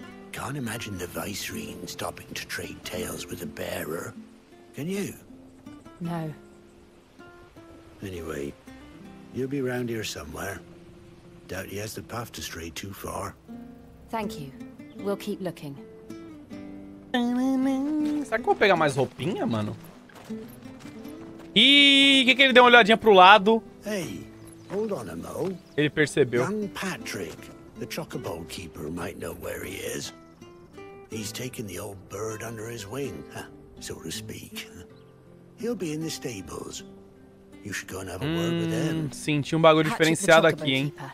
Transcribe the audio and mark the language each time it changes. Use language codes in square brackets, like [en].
[en] Can't imagine the Viceroy stopping to trade tales with a bearer. Can you? No. Anyway, you'll be round here somewhere. Doubt he has the path to stray too far. Thank you. We'll keep looking. [pt] Será que eu vou pegar mais roupinha, mano? Ih, que ele deu uma olhadinha pro lado? [en] Hey, hold on a mo. [pt] Ele percebeu. [en] Young Patrick, the chocobo keeper, might know where he is. He's taken the old bird under his wing, so to speak. He'll be in the stables. You should go and have a word with him. [pt] Senti um bagulho diferenciado aqui, hein?